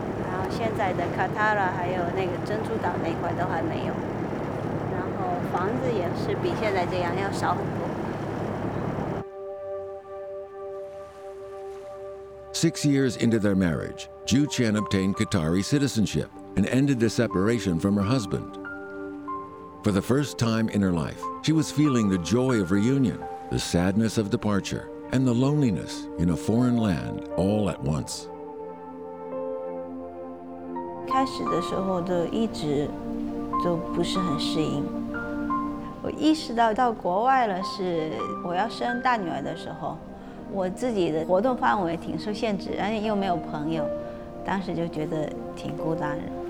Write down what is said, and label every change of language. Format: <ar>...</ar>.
<zh>然后现在的卡塔拉还有那个珍珠岛那块都还没有。房子也是比现在这样要少很多。</zh> <en>6 years into their marriage, Ju Chen obtained Qatari citizenship and ended the separation from her husband. For the first time in her life, she was feeling the joy of reunion, the sadness of departure, and the loneliness in a foreign land all at once.</en> <zh>开始的时候就一直都不是很适应。我意识到到国外了，是我要生大女儿的时候，我自己的活动范围挺受限制，而且又没有朋友，当时就觉得挺孤单的。</zh>